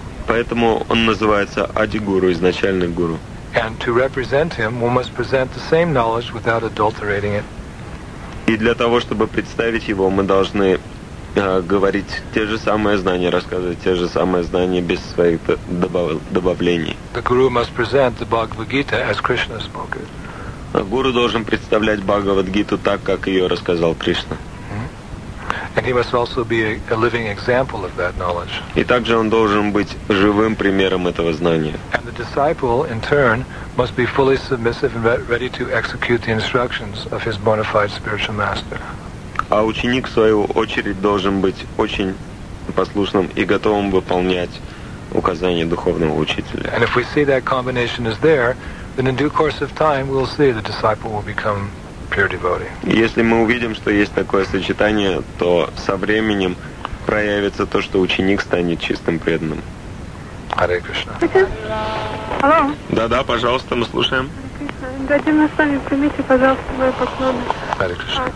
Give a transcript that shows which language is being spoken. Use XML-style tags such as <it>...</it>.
<ru>Поэтому он называется Ади Гуру, изначальный гуру.</ru> <en>And to represent him, one must present the same knowledge without adulterating it.</en> <ru>И для того, чтобы представить его, мы должны говорить те же самые знания, рассказывать те же самые знания без своих добавлений.</ru> <en>The guru must present the Bhagavad Gita as Krishna spoke it.</en> <ru>Гуру должен представлять Бхагавад-гиту так, как ее рассказал Кришна.</ru> <en>And he must also be a living example of that knowledge.</en> <ru>И также он должен быть живым примером этого знания.</ru> <en>And the disciple, in turn, must be fully submissive and ready to execute the instructions of his bona fide spiritual master.</en> <ru>А ученик, в свою очередь, должен быть очень послушным и готовым выполнять указания духовного учителя.</ru> <en>And if we see that combination is there, then in due course of time, we'll see the disciple will become pure devotee.</en> <ru>Если мы увидим, что есть такое сочетание, то со временем проявится то, что ученик станет чистым преданным. Харе Кришна. Алло. Да-да, пожалуйста, мы слушаем. Дайте мне с вами, примите, пожалуйста, мои поклоны. Харе Кришна.</ru>